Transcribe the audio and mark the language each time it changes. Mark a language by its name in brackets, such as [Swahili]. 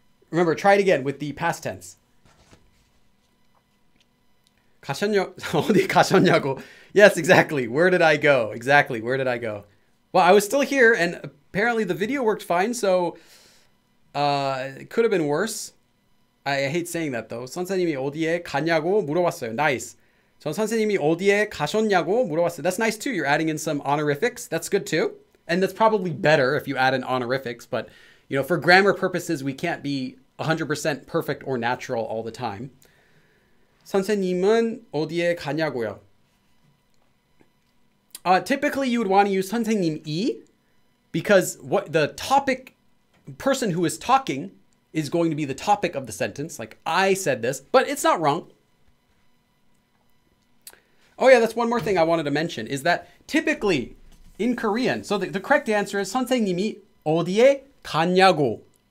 [English] Remember, try it again with the past tense. [Korean] 가셨냐, 어디 가셨냐고? [English] Yes, exactly. Where did I go? Exactly, where did I go? Well, I was still here and apparently the video worked fine, so it could have been worse. I hate saying that though. [Korean] 선생님이 어디에 가냐고 물어봤어요. [English] Nice. [Korean] So 선생님이 어디에 가셨냐고 물어봤어요. [English] That's nice too. You're adding in some honorifics. That's good too. And that's probably better if you add in honorifics. But, you know, for grammar purposes, we can't be 100% perfect or natural all the time. [Korean] 선생님은 어디에 가냐고요? [English] Typically, you would want to use 선생님이 because what the topic person who is talking is going to be the topic of the sentence. Like, I said this, but it's not wrong. Oh yeah, that's one more thing I wanted to mention is that typically in Korean, so the correct answer is [Korean] 선생님이 어디에 가냐고.